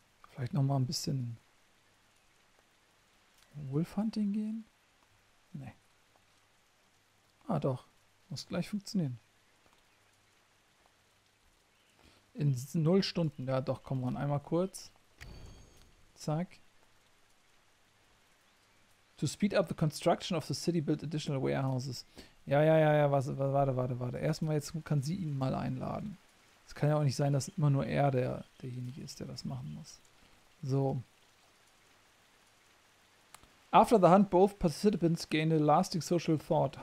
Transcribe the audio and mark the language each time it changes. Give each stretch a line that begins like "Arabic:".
German: Vielleicht noch mal ein bisschen Wolfhunting gehen? Nee. Ah doch, muss gleich funktionieren. In 0 Stunden, ja doch, komm mal einmal kurz. Zack.
English: To speed up the construction of the city built additional warehouses.
German: Ja, warte. Erstmal jetzt kann sie ihn mal einladen. Es kann ja auch nicht sein, dass immer nur er derjenige ist, der das machen muss. So.
English: After the hunt, both participants gain a lasting social thought.